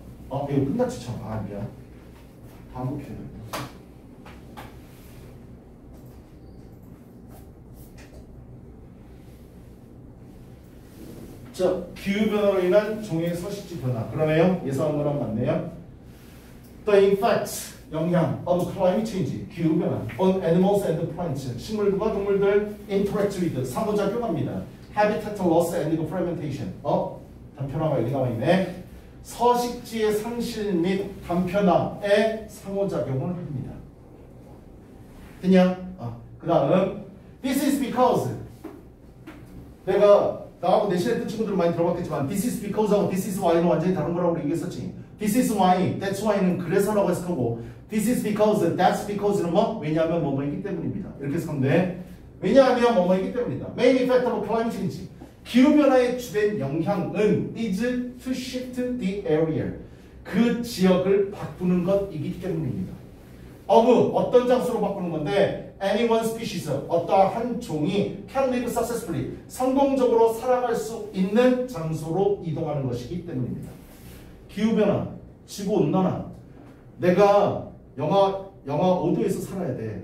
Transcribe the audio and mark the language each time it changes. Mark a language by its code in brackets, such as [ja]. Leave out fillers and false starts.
[ko] 이거 끝났지 참. 미안. 반복해야 돼. 자, 기후변화로 인한 종의 서식지 변화. 그러네요. 예상한 거랑 맞네요. [en] The effects, [ko] 영향 [en] of climate change, [ko] 기후변화 [en] on animals and plants, [ko] 식물과 동물들 [en] interact with, [ko] 상호작용합니다. [en] Habitat loss and fragmentation. [ko] 단편화가 여기 나와 있네. 서식지의 상실 및 단편화에 상호작용을 합니다. 됐냐? 그 다음. [en] This is because [ko] 내가 나하고 내 시대 친구들 많이 들어봤겠지만 This is because하고 [en] This is why [ko] 는 완전히 다른 거라고 얘기했었지. [en] This is why, that's why는 [ko] 그래서라고 해석하고 [en] This is because, that's because는 뭐? [ko] 왜냐하면 뭐뭐이기 때문입니다. 이렇게 해석하면 돼. 왜냐하면 뭐뭐이기 때문이다. [en] Main effect of climate change. [ko] 기후변화의 주된 영향은 [en] is to shift the area. [ko] 그 지역을 바꾸는 것이기 때문입니다. 어떤 장소로 바꾸는 건데 [en] any one species, [ko] 어떠한 종이 [en] can live successfully, [ko] 성공적으로 살아갈 수 있는 장소로 이동하는 것이기 때문입니다. 기후변화, 지구온난화, 내가 영하 5도에서 살아야 돼.